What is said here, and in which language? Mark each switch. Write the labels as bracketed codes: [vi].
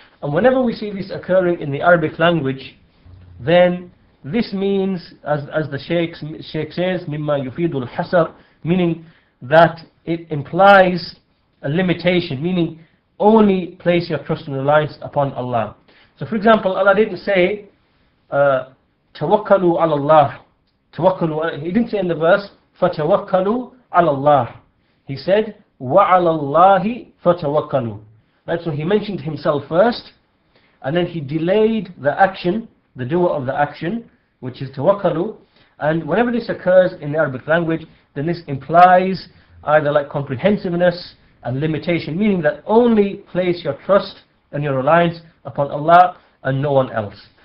[en] And whenever we see this occurring in the Arabic language, then this means, as the Shaykh says, [ar] مِمَّا يُفِيدُ الْحَسَرُ, [en] meaning that it implies a limitation, meaning only place your trust and reliance upon Allah. So for example, Allah didn't say, [ar] تَوَكَّلُوا عَلَى اللَّهِ, تَوَكَّلُوا, [en] He didn't say in the verse, [ar] فَتَوَكَّلُوا عَلَى اللَّهِ. He said, وَعَلَى اللَّهِ فَتَوَكَّلُوا. [en] Right, so He mentioned Himself first, and then He delayed the action, the doer of the action, which is tawakkalu. And whenever this occurs in the Arabic language, then this implies either like comprehensiveness and limitation, meaning that only place your trust and your reliance upon Allah and no one else.